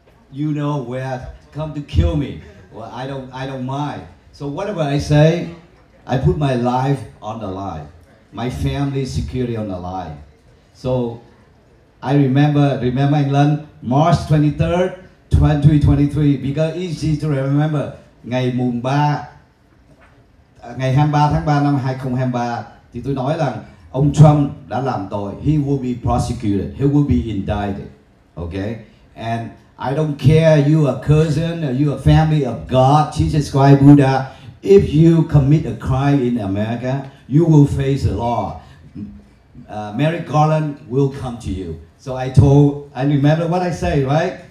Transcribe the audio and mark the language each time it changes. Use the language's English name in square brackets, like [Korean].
[English] You know where come to kill me. Well, I don't mind. So whatever I say, I put my life on the line. My family security on the line. So I remember England, March 23rd, 2023, because easy to remember. [Vietnamese] Ngày 23 tháng 3 năm 2023 thì tôi nói rằng ông Trump đã làm tội. [English] He will be prosecuted. He will be indicted. Okay? And I don't care you a cousin or you a family of God, Jesus Christ, Buddha. If you commit a crime in America, you will face the law. Merrick Garland will come to you. So I remember what I say, right?